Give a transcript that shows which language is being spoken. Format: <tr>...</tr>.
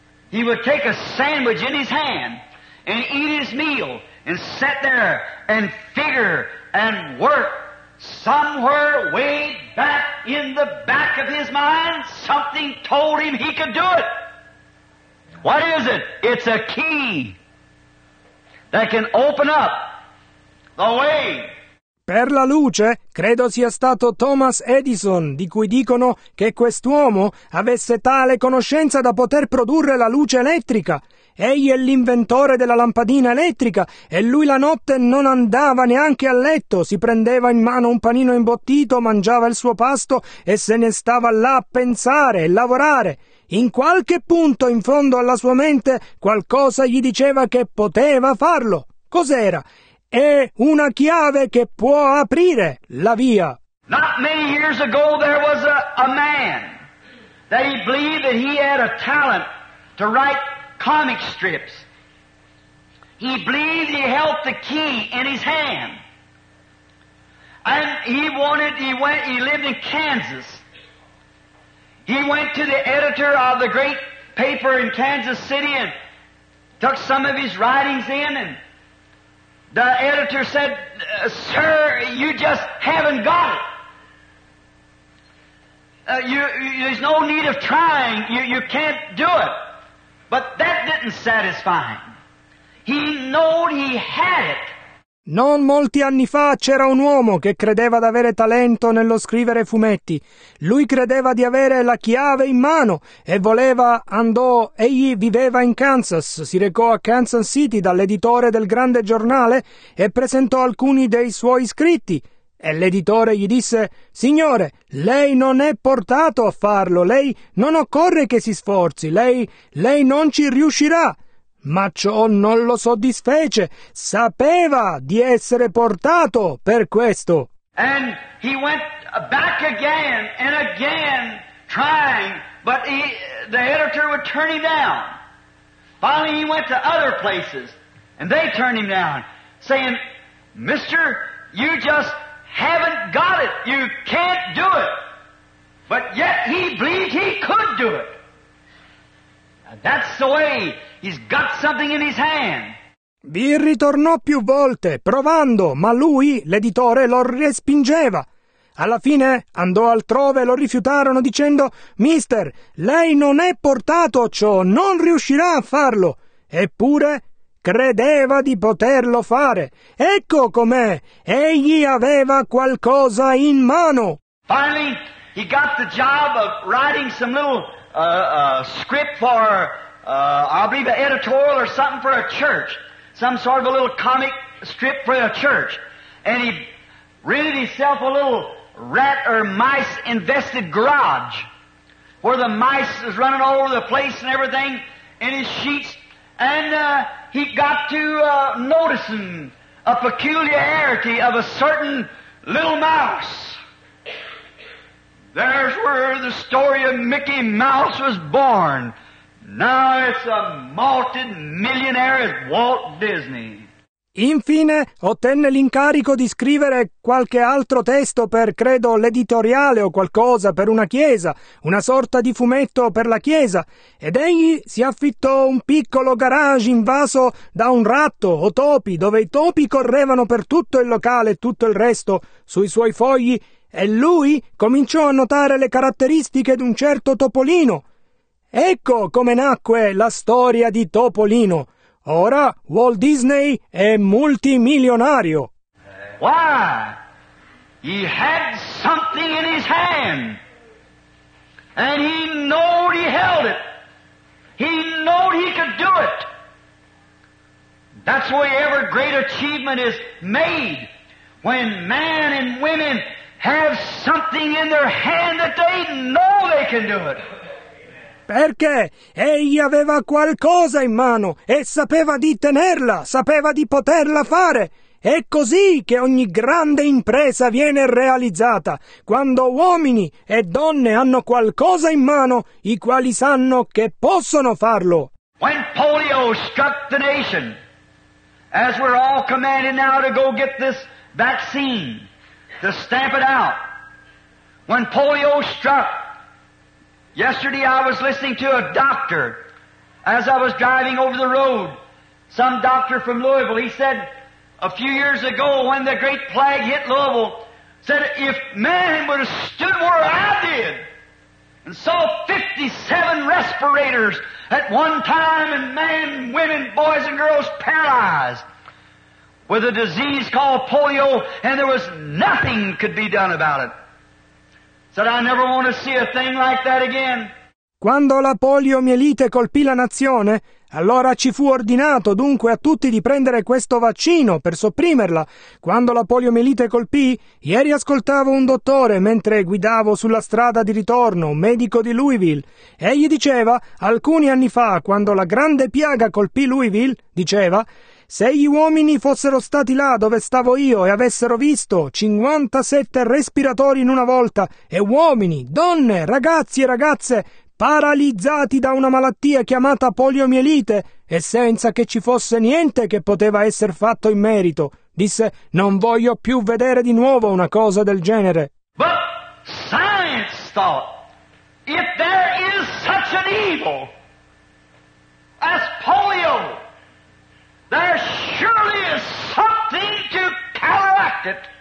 <en>He would take a sandwich in his hand and eat his meal and sit there and figure and work. Somewhere way back in the back of his mind, something told him he could do it. What is it? It's a key that can open up the way.</en> <it>Per la luce, credo sia stato Thomas Edison, di cui dicono che quest'uomo avesse tale conoscenza da poter produrre la luce elettrica. Egli è l'inventore della lampadina elettrica e lui la notte non andava neanche a letto, si prendeva in mano un panino imbottito, mangiava il suo pasto e se ne stava là a pensare e lavorare. In qualche punto in fondo alla sua mente qualcosa gli diceva che poteva farlo. Cos'era? È una chiave che può aprire la via.</it> <en>Not many years ago there was a man that he believed that he had a talent to write comic strips. He believed he held the key in his hand. And he lived in Kansas. He went to the editor of the great paper in Kansas City and took some of his writings in, and the editor said, sir, you just haven't got it. There's no need of trying. You can't do it. But that didn't satisfy him. He knew he had it.</en> <it>Non molti anni fa c'era un uomo che credeva di avere talento nello scrivere fumetti. Lui credeva di avere la chiave in mano e egli viveva in Kansas, si recò a Kansas City dall'editore del grande giornale e presentò alcuni dei suoi scritti. E l'editore gli disse, signore, lei non è portato a farlo, lei non occorre che si sforzi, lei non ci riuscirà. Ma ciò non lo soddisfece. Sapeva di essere portato per questo.</it> <en>And he went back again and again trying, but the editor would turn him down. Finally he went to other places and they turned him down, saying, mister, you just haven't got it. You can't do it. But yet he believed he could do it. That's the way. He's got something in his hand.</en> <it>Vi ritornò più volte, provando, ma lui, l'editore, lo respingeva. Alla fine andò altrove e lo rifiutarono dicendo, mister, lei non è portato a ciò, non riuscirà a farlo. Eppure credeva di poterlo fare. Ecco com'è, egli aveva qualcosa in mano.</it> <en>Finally, he got the job of writing some little script for I believe an editorial or something for a church, some sort of a little comic strip for a church. And he rented himself a little rat or mice invested garage where the mice was running all over the place and everything in his sheets. And he got to noticing a peculiarity of a certain little mouse. There's where the story of Mickey Mouse was born. Now it's a multi-millionaire Walt Disney.</en> <it>Infine, ottenne l'incarico di scrivere qualche altro testo per, credo, l'editoriale o qualcosa per una chiesa, una sorta di fumetto per la chiesa, ed egli si affittò un piccolo garage invaso da un ratto o topi, dove i topi correvano per tutto il locale e tutto il resto sui suoi fogli, e lui cominciò a notare le caratteristiche di un certo topolino. Ecco come nacque la storia di Topolino. Ora Walt Disney è multimilionario.</it> <en>Why? He had something in his hand. And he knowed he held it. He knowed he could do it. That's why every great achievement is made when men and women have something in their hand that they know they can do it.</en> <it>Perché egli aveva qualcosa in mano e sapeva di tenerla, sapeva di poterla fare. È così che ogni grande impresa viene realizzata, quando uomini e donne hanno qualcosa in mano i quali sanno che possono farlo.</it> <en>When polio struck the nation, as we're all commanded now to go get this vaccine, to stamp it out, when polio struck, yesterday I was listening to a doctor as I was driving over the road, some doctor from Louisville. He said a few years ago when the great plague hit Louisville, said if man would have stood where I did and saw 57 respirators at one time and men, women, boys and girls paralyzed with a disease called polio and there was nothing could be done about it. That I never want to see a thing like that again.</en> <it>Quando la poliomielite colpì la nazione, allora ci fu ordinato dunque a tutti di prendere questo vaccino per sopprimerla. Quando la poliomielite colpì, ieri ascoltavo un dottore mentre guidavo sulla strada di ritorno, un medico di Louisville. Egli diceva, alcuni anni fa, quando la grande piaga colpì Louisville, diceva, se gli uomini fossero stati là dove stavo io e avessero visto 57 respiratori in una volta e uomini, donne, ragazzi e ragazze paralizzati da una malattia chiamata poliomielite e senza che ci fosse niente che poteva essere fatto in merito, disse, non voglio più vedere di nuovo una cosa del genere.</it> <en>But science thought, if there is such an evil as polio, there surely is something to counteract it.</en>